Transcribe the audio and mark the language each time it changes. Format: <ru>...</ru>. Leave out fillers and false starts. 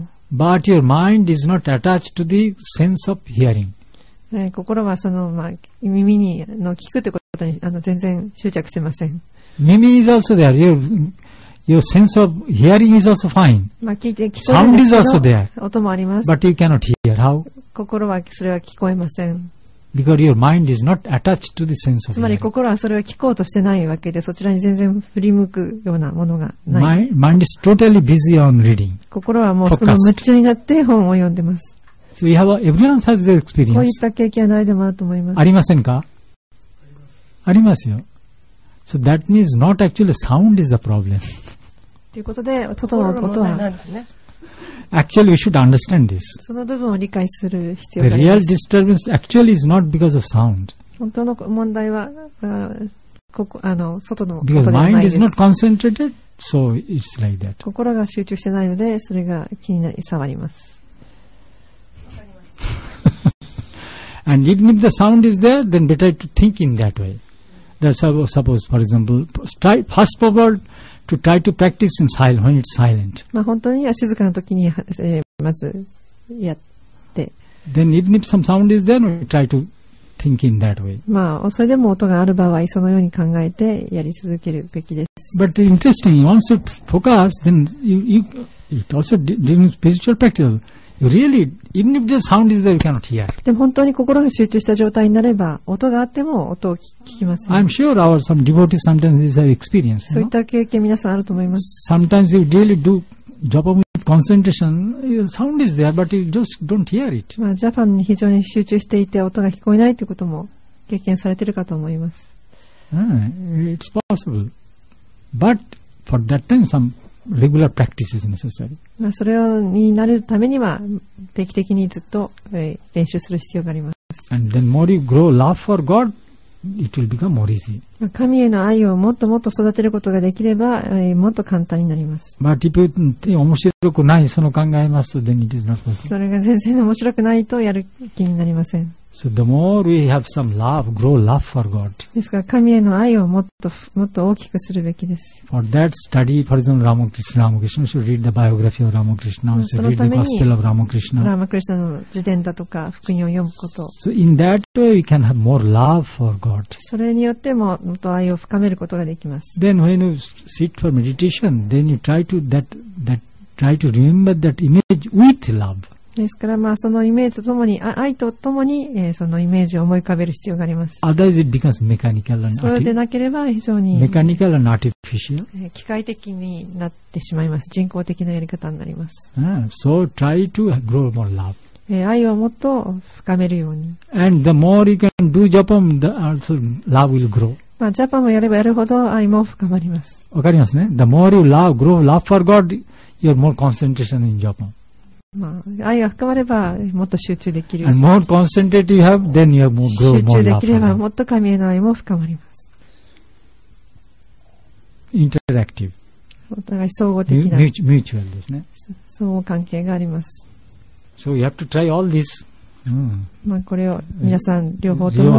<en>But your mind is not attached to the sense of hearing.</en> <ja>心はその、まあ、耳の聞くということに全然執着してません。</ja> <en>耳 is also there. Your sense of hearing is also fine.</en> <ja>まあ、聞いて、聞こえるんですけど、sound</ja> <en>is also there.</en> <ja>音もあります。</ja> <en>But you cannot hear. How?</en> <ja>心はそれは聞こえません。</ja> <en>Because your mind is not attached to the sense of hearing.</en> <ja>つまり心はそれを聞こうとしてないわけで、そちらに全然振り向くようなものがない。</ja> <en>Mind is totally busy on reading.</en> <ja>心はもうその夢中になって本を読んでます。</ja> <en>So we have everyone has the experience.</en> <ja>こういった経験はないでもあると思います。ありませんか? ありますよ。</ja> <en>So that means not actually sound is the problem.</en> <ja>ということで、音は。</ja> <en>actually we should understand this.</en> <ja>その部分を理解する必要があります</ja> <en>The real disturbance actually is not because of sound.</en> <ja>本当の問題は、外の音ではないです。</ja> <en>Because mind is not concentrated, so it's like that.</en> <ja>心が集中してないので、それが気になり触ります。</ja> <en>And even if the sound is there, then better to think in that way. That's how, suppose, for example, try, first of all, to try to practice in silent, when it's silent.</en> <ja>まあ本当には静かな時に、まずやって。</ja> <en>Then even if some sound is there, we try to think in that way.</en> <ja>まあそれでも音がある場合、そのように考えてやり続けるべきです。</ja> <en>But interesting, once you focus, then it also during spiritual practice. Really, even if the sound is there, you cannot hear.</en> <ja>でも本当に心が集中した状態になれば、音があっても音を聞きません。</ja> <en>I'm sure our some devotees sometimes this have experience.</en> <ja>そういった経験皆さんあると思います。</ja> <en>Sometimes you really do japa with concentration, sound is there, but you just don't hear it.</en> <ja>まあ、ジャパンに非常に集中していて音が聞こえないということも経験されているかと思います。</ja> <en>It's possible, but for that time some. Regular practice is necessary.</en> <ja>まあそれをになるためには定期的にずっと練習する必要があります。</ja> <en>And then more you grow love for God, it will become more easy.</en> <ja>神への愛をもっともっと育てることができれば、もっと簡単になります。</ja> <en>But if you think</en> <ja>面白くないその考えますと、</ja> <en>then it is not possible.</en> <ja>それが全然面白くないとやる気になりません。</ja> <en>So the more we have some love, grow love for God.</en> <ja>ですから神への愛をもっと大きくするべきです。</ja> <en>For that study, for example, Ramakrishna, Ramakrishna, you should read the biography of Ramakrishna, you should read the gospel of Ramakrishna.</en> <ja>Ramakrishna の自伝だとか福音を読むこと。</ja> <en>So in that way, you can have more love for God.</en> <ja>それによってももっと愛を深めることができます。</ja> <en>Then when you sit for meditation, then you try to try to remember that image with love.</en> <ja>ですからまあそのイメージとともに愛とともにそのイメージを思い浮かべる必要があります。</ja> <en>Otherwise it becomes mechanical and</en> <ja>artificial. それでなければ非常に</ja> <en>mechanical and artificial.</en> <ja>機械的になってしまいます。人工的なやり方になります。</ja> <en>So try to grow more love.</en> <ja>愛をもっと深めるように。</ja> <en>And the more you can do japam, the also love will grow.</en> <ja>まあジャパンもやればやるほど愛も深まります。わかりますね。</ja> <en>The more you love, grow love for God, you're more concentration in japan.</en> <ja>まあ、愛が深まればもっと集中できる。</ja> <en>And more concentrated you have, then you have more grow more love.</en> <ja>集中できればもっと神への愛も深まります。</ja> <en>Interactive.</en> <ja>お互い相互的な。 Mutual ですね。相互関係があります。</ja> <en>So you have to try all this.、</en> <ja>まあこれを皆さん両方とも</ja>